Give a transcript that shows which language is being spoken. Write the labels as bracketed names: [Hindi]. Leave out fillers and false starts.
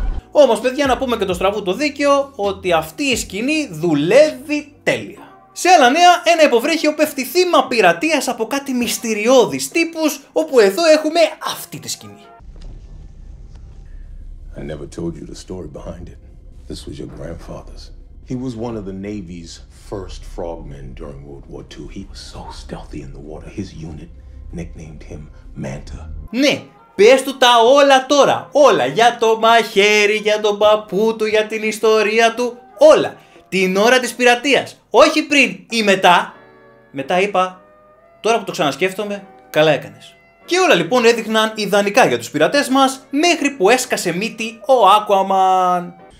[Greek] Όμως παιδιά να πούμε και το στραβού το δίκαιο ότι αυτή η σκηνή δουλεύει τέλεια. Σε άλλα νέα, ένα υποβρύχιο πέφτει θύμα πειρατείας από κάτι μυστηριώδης τύπους, όπου εδώ έχουμε αυτή τη σκηνή. [English] I never told you the story behind it. This was your grandfather's. He was one of the Navy's first frogmen during World War II. He was so stealthy in the water, his unit nicknamed him Manta. [Greek] Ναι. Πες του τα όλα τώρα, όλα, για το μαχαίρι, για τον παππού του, για την ιστορία του, όλα, την ώρα της πειρατείας, όχι πριν ή μετά. Μετά είπα, τώρα που το ξανασκέφτομαι, καλά έκανες. Και όλα λοιπόν έδειχναν ιδανικά για τους πειρατές μας, μέχρι που έσκασε μύτη ο Aquaman.